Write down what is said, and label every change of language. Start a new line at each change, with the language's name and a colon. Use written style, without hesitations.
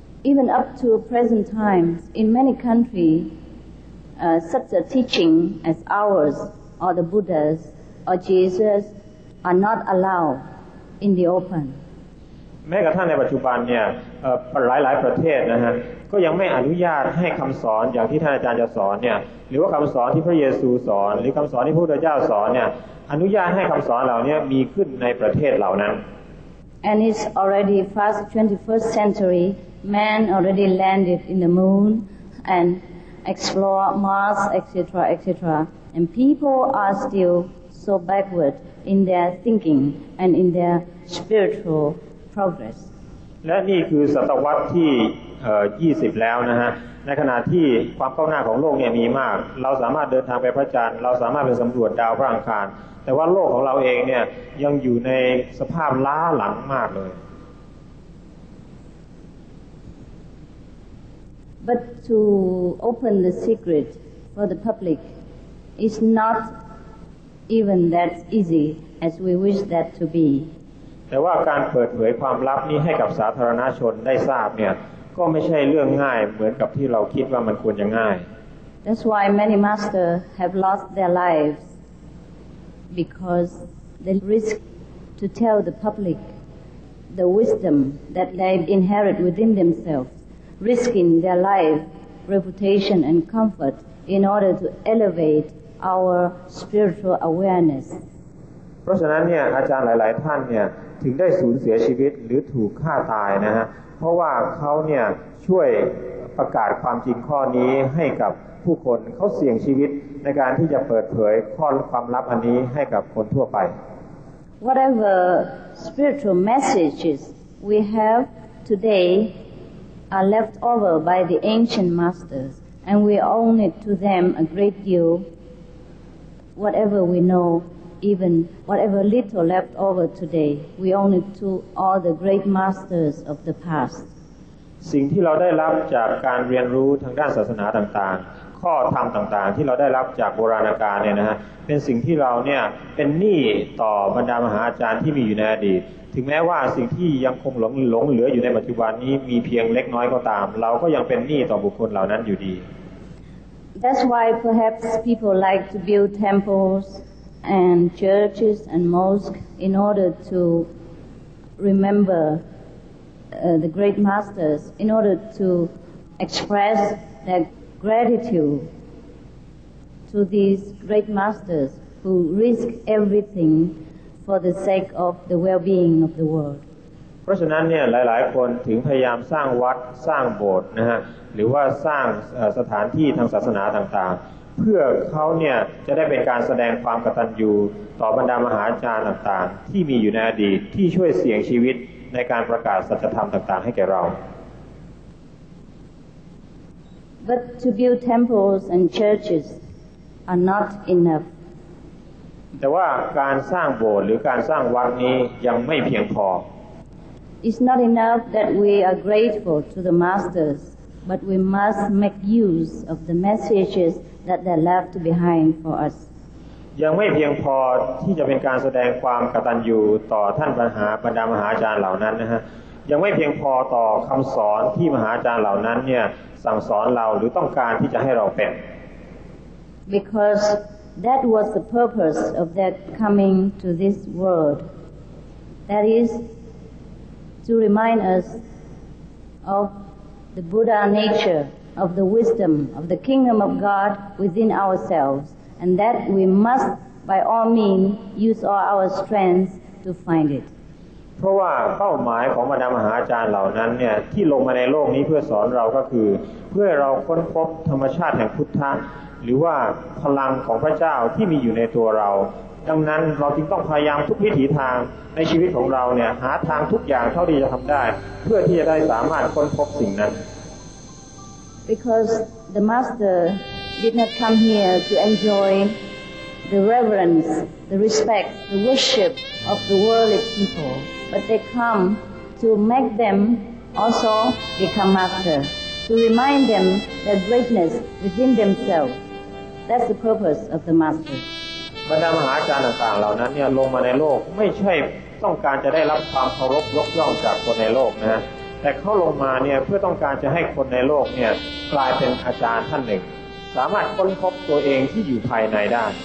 English: Even up to present times in many countriesuch a teaching as ours or the Buddha's or Jesus are not allowed in the open
Thai: แม้กระทั่งในปัจจุบันเนี่ยหลายประเทศนะฮะก็ยังไม่อนุญาตให้คำสอนอย่างที่ท่านอาจารย์จะสอนเนี่ยหรือว่าคำสอนที่พระเยซูสอนหรือคำสอนที่พระพุทธเจ้าสอนเนี่ยอนุญาตให้คำสอนเหล่านี้มีขึ้นในประเทศเหล่านั้น
English: And it's already fast 21st century man already landed in the moon andexplore Mars etc and people are still so backward in their thinking and in their spiritual progress
Thai: และนี่คือศตวรรษที่20แล้วนะฮะในขณะที่ความก้าวหน้าของโลกเนี่ยมีมากเราสามารถเดินทางไปพระจันทร์เราสามารถไปสำรวจดาวพระอังคารแต่ว่าโลกของเราเองเนี่ยยังอยู่ในสภาพล้าหลังมากเลย
English: But to open the secret for the public is not even that easy as we wish that to be.
Thai: แต่ว่าการเปิดเผยความลับนี้ให้กับสาธารณชนได้ทราบเนี่ยก็ไม่ใช่เรื่องง่ายเหมือนกับที่เราคิดว่ามันควรจะง่าย
English: That's why many masters have lost their lives because they risk to tell the public the wisdom that they inherit within themselves. Risking their life, reputation, and comfort in order to elevate our spiritual awareness.
Thai: เพราะฉะนั้นเนี่ยอาจารย์หลายๆท่านเนี่ยถึงได้สูญเสียชีวิตหรือถูกฆ่าตายนะฮะเพราะว่าเขาเนี่ยช่วยประกาศความจริงข้อนี้ให้กับผู้คนเขาเสี่ยงชีวิตในการที่จะเปิดเผยข้อความลับอันนี้ให้กับคนทั่วไป
English: Whatever spiritual messages we have today. Are left over by the ancient masters, and we owe it to them a great deal whatever we know, even whatever little left over today, we owe it to all the great masters of the past.
Thai: สิ่งที่เราได้รับจากการเรียนรู้ทางด้านศาสนาต่างๆข้อธรรมต่างๆที่เราได้รับจากโบราณกาลเนี่ยนะฮะเป็นสิ่งที่เราเนี่ยเป็นหนี้ต่อบรรดามหาอาจารย์ที่มีอยู่ในอดีตถึงแม้ว่าสิ่งที่ยังคงหลงเหลืออยู่ในปัจจุบันนี้มีเพียงเล็กน้อยก็ตามเราก็ยังเป็นหนี้ต่อบุคคลเหล่านั้นอยู่ดี
English: That's why perhaps people like to build temples and churches and mosques in order to rememberthe great masters in order to express their gratitude to these great masters who risk everything for the sake of the well-being of the world
Thai: เพราะฉะนั้นเนี่ยหลายๆคนถึงพยายามสร้างวัดสร้างโบสถ์นะฮะหรือว่าสร้างสถานที่ทางศาสนาต่างๆเพื่อเขาเนี่ยจะได้เป็นการแสดงความกตัญญูต่อบรรดามหาอาจารย์ต่างๆที่มีอยู่ในอดีตที่ช่วยเสี่ยงชีวิตในการประกาศสัจธรรมต่างๆให้แก่เรา
English: But to build temples and churches are not enough
Thai: แต่ว่าการสร้างโบสถ์หรือการสร้างวัดนี้ยังไม่เพียงพ
English: อ It's not enough that we are grateful to the masters but we must make use of the messages that they left behind for us
Thai: ยังไม่เพียงพอที่จะเป็นการแสดงความกตัญญูต่อท่านบรรดามหาอาจารย์เหล่านั้นนะฮะยังไม่เพียงพอต่อคำสอนที่มหาอาจารย์เหล่านั้นเนี่ยสั่งสอนเราหรือต้องการที่จะให้เราเป็น
English: Because that was the purpose of their coming to this world. That is to remind us of the Buddha nature, of the wisdom, of the kingdom of God within ourselves. And that we must, by all means, use all our strengths to find it.
Thai: เพราะว่าเป้าหมายของบรรดามหาอาจารย์เหล่านั้นเนี่ยที่ลงมาในโลกนี้เพื่อสอนเราก็คือเพื่อเราค้นพบธรรมชาติแห่งพุทธะหรือว่าพลังของพระเจ้าที่มีอยู่ในตัวเราดังนั้นเราจึงต้องพยายามทุกวิถีทางในชีวิตของเราเนี่ยหาทางทุกอย่างเท่าที่จะทำได้เพื่อที่จะได้สามารถค้นพบสิ่งนั้น
English: Because the masterdid not come here to enjoy the reverence, the respect, the worship of the worldly people, but they come to make them also become master, to remind them their greatness within themselves. That's the purpose of the master.
Thai: บรรดามหาอาจารย์ต่างๆเหล่านั้นเนี่ยลงมาในโลกไม่ใช่ต้องการจะได้รับความเคารพยกย่องจากคนในโลกนะแต่เขาลงมาเนี่ยเพื่อต้องการจะให้คนในโลกเนี่ยกลายเป็นอาจารย์ท่านหนึ่งสามารถค้นพบตัวเองที่อยู่ภายในได